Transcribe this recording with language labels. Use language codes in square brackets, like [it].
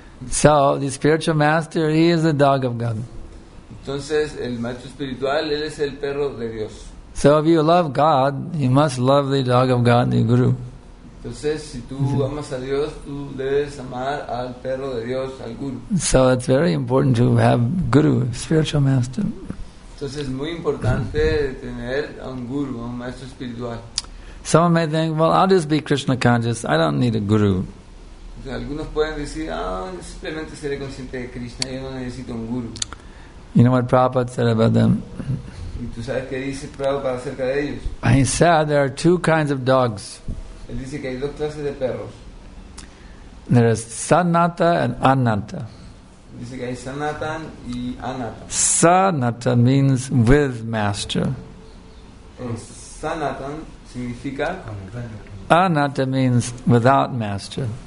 [en] So the spiritual master, he is the dog of God. [es] Entonces el maestro espiritual, él es el perro de Dios. [en] So if you love God, you must love the dog of God, the guru. [es] Entonces si tú amas a Dios, tú debes amar al perro de Dios, al guru. [en] So it's very important to have guru, spiritual master. [es] Entonces es muy importante tener a un guru, a un maestro espiritual. [en] Some may think, well, I'll just be Krishna conscious. I don't need a guru. [es] Algunos pueden decir, simplemente seré consciente de Krishna. Yo no necesito un guru. [en] You know what Prabhupada said about them? [es] ¿Y tú sabes qué dice Prabhupada acerca de ellos? [en] He said there are two kinds of dogs. [es] Él dice que hay dos clases de perros. [en] There is sanata and anata. [es] Dice que hay sanatan y anata. [en] Sanata means with master. [es] Sanatan significa [en] anata means without master.